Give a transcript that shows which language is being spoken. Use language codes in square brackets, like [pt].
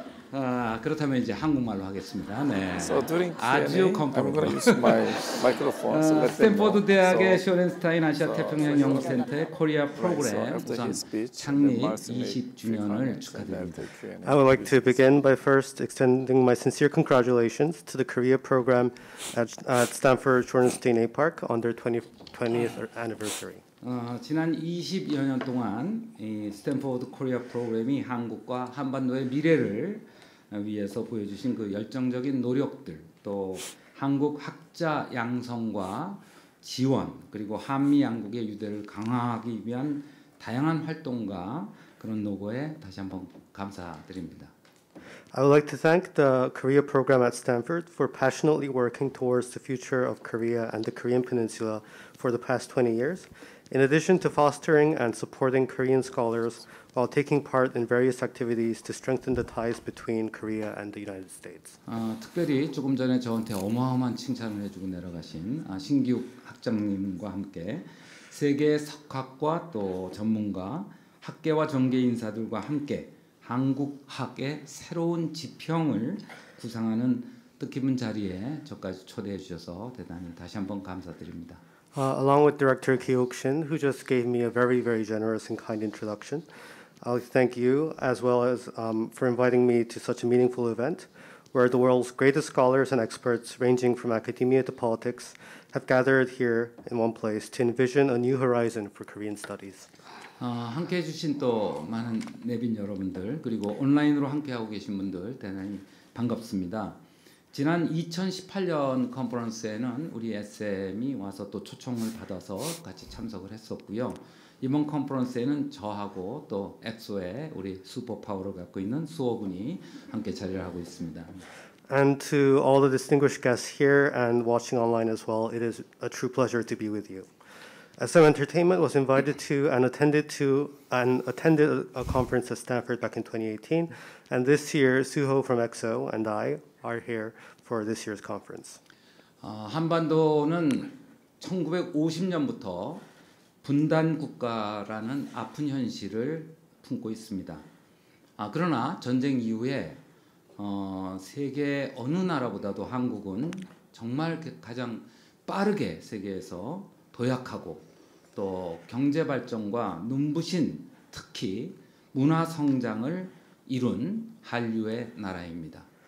[ko] 그렇다면 이제 한국말로 하겠습니다. 네. [en] So during Q&A, I'm going to use my microphone. So let's see. [ko] 스탠포드 대학의 쇼렌스타인 아시아 태평양 연구센터의 코리아 프로그램 우선 창립 20주년을 축하드립니다. [en] I would like to begin by first extending my sincere congratulations to the Korea program at Stanford Shorenstein A Park on their 20th anniversary. [ko] 지난 20여 년 동안 이 스탠포드 코리아 프로그램이 한국과 한반도의 미래를 위해서 보여주신 그 열정적인 노력들, 또 한국 학자 양성과 지원, 그리고 한미 양국의 유대를 강화하기 위한 다양한 활동과 그런 노고에 다시 한번 감사드립니다. [en] I would like to thank the Korea program at Stanford for passionately working towards the future of Korea and the Korean Peninsula for the past 20 years. In addition to fostering and supporting Korean scholars while taking part in various activities to strengthen the ties between Korea and the United States. [ko] 특별히 조금 전에 저한테 어마어마한 칭찬을 해주고 내려가신 신기욱 학장님과 함께 세계 석학과 또 전문가 학계와 정계 인사들과 함께 한국학의 새로운 지평을 구상하는 뜻깊은 자리에 저까지 초대해 주셔서 대단히 다시 한번 감사드립니다. [en] Along with Director Ki-wook Shin, who just gave me a very, very generous and kind introduction, I'd like to thank you as well as for inviting me to such a meaningful event where the world's greatest scholars and experts ranging from academia to politics have gathered here in one place to envision a new horizon for Korean studies. [ko] 함께해 주신 또 많은 내빈 여러분들 그리고 온라인으로 함께하고 계신 분들 대단히 반갑습니다. 지난 2018년 컨퍼런스에는 우리 SM이 와서 또 초청을 받아서 같이 참석을 했었고요. 이번 컨퍼런스에는 저하고 또 엑소의 우리 슈퍼파워를 갖고 있는 수호군이 함께 자리를 하고 있습니다. [en] And to all the distinguished guests here and watching online as well, it is a true pleasure to be with you. SM Entertainment was invited to and attended a conference at Stanford back in 2018. And this year, Suho from EXO and I are here for this year's conference. [ko] 한반도는 1950년부터 분단 국가라는 아픈 현실을 품고 있습니다. 그러나 전쟁 이후에 세계 어느 나라보다도 한국은 정말 가장 빠르게 세계에서 도약하고 또 경제 발전과 눈부신 특히 문화 성장을 이룬 한류의 나라입니다.